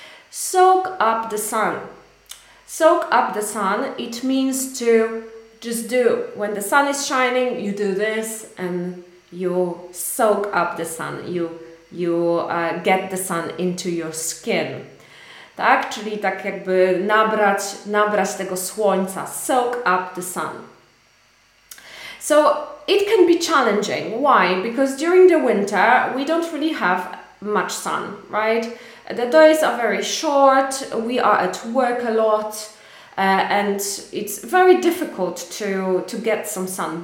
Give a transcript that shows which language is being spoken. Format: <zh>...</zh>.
<en>Soak up the sun. Soak up the sun, it means to just do. When the sun is shining, you do this and you soak up the sun. You get the sun into your skin.</en> <pl>Tak? Czyli tak jakby nabrać tego słońca.</pl> <en>Soak up the sun. So it can be challenging. Why? Because during the winter, we don't really have much sun, right? The days are very short, we are at work a lot, and it's very difficult to get some sun.</en>